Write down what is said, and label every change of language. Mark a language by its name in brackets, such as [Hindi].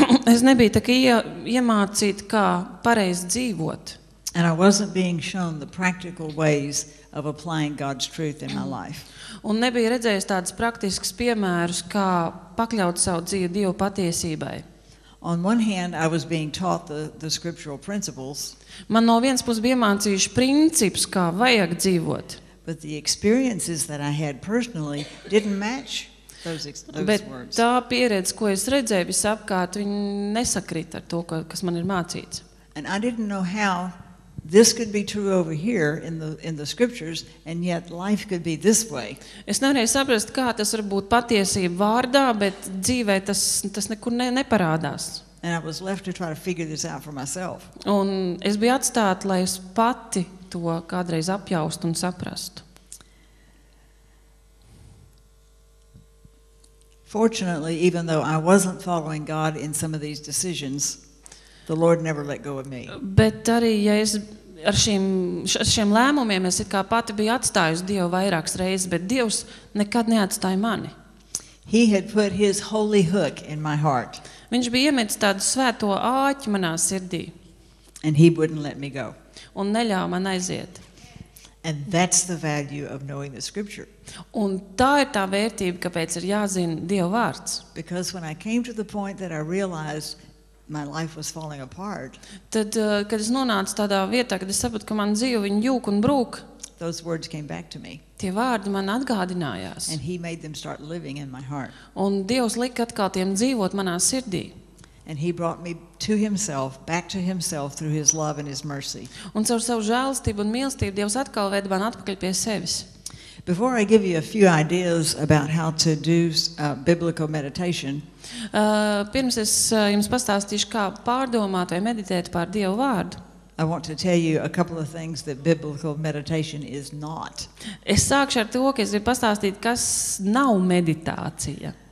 [Latvian] Es nebiju tā kā iemācīt, kā pareizi dzīvot. [English] And I wasn't being shown the practical ways of applying God's truth in my life. [Latvian] Un nebija redzējis tādas praktiskas piemērus, kā pakļaut savu dzīvi Dieva patiesībai. [English] On one hand, I was being taught the scriptural principles. [Latvian] Man no viens puses bija mācījuši principus, kā vajag dzīvot. [English] But the experiences that I had personally didn't match those words. [Latvian] Bet tā pieredze, ko es redzēju visapkārt, viņa nesakrita ar to, kas man ir mācīts. [English] And I didn't know how this could be true over here in the scriptures, and yet life could be this way. [Latvian] Es nevarēju saprast, kā tas var būt patiesība vārdā, bet dzīvē tas nekur neparādās. [English] And I was left to try to figure this out for myself. [Latvian] Un es biju atstāta, lai es pati to kādreiz apjaustu un saprastu. [English] Fortunately, even though I wasn't following God in some of these decisions, the Lord never let go of me. [Latvian] Bet arī, ja es ar šiem lēmumiem, es it kā pati biju atstājusi Dievu vairākas reizes, bet Dievs nekad neatstāja mani. [English] He had put his holy hook in my heart. [Latvian] Viņš bija iemetis tādu svēto āķi manā sirdī. [English] And he wouldn't let me go. [Latvian] Un neļāv man aiziet. [English] And that's the value of knowing the scripture. [Latvian] Un tā ir tā vērtība, kāpēc ir jāzina Dieva vārds. [English] Because when I came to the point that I realized my life was falling apart. [Latvian] Tad, kad es nonācu tādā vietā, kad es saprotu, ka man dzīve viņu jūk un brūk, [English] those words came back to me. [Latvian] Tie vārdi man atgādinājās. [English] And he made them start living in my heart. [Latvian] Un Dievs lika atkal tiem dzīvot manā sirdī. [English] And he brought me to himself, back to himself through his love and his mercy. [Latvian] Un caur savu žēlstību un mīlestību Dievs atkal veda man atpakaļ pie sevis. [English] Before I give you a few ideas about how to do biblical meditation, [Latvian] pirms es jums pastāstīšu, kā pārdomāt vai meditēt par Dievu vārdu, [English] I want to tell you a couple of things that biblical meditation is not. [Latvian] Es sākšu ar to, ka es gribu pastāstīt, kas nav meditācija.